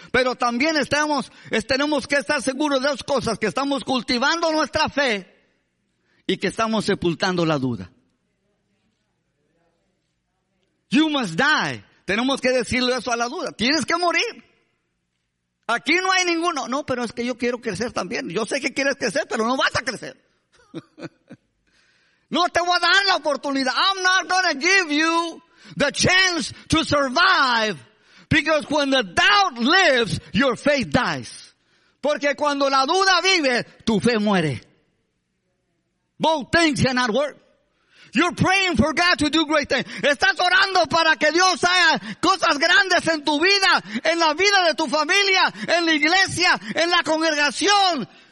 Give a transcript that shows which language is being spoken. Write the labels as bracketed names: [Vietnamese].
[Spanish] Pero también tenemos que estar seguros de dos cosas: que estamos cultivando nuestra fe y que estamos sepultando la duda. [English] You must die. [Spanish] Tenemos que decirle eso a la duda. Tienes que morir. Aquí no hay ninguno. No, pero es que yo quiero crecer también. Yo sé que quieres crecer, pero no vas a crecer. No te voy a dar la oportunidad. [English] I'm not going to give you the chance to survive. Because when the doubt lives, your faith dies. [Spanish] Porque cuando la duda vive, tu fe muere. [English] Both things cannot work. You're praying for God to do great things. [Spanish] Estás orando para que Dios haga cosas grandes en tu vida, en la vida de tu familia, en la iglesia, en la congregación.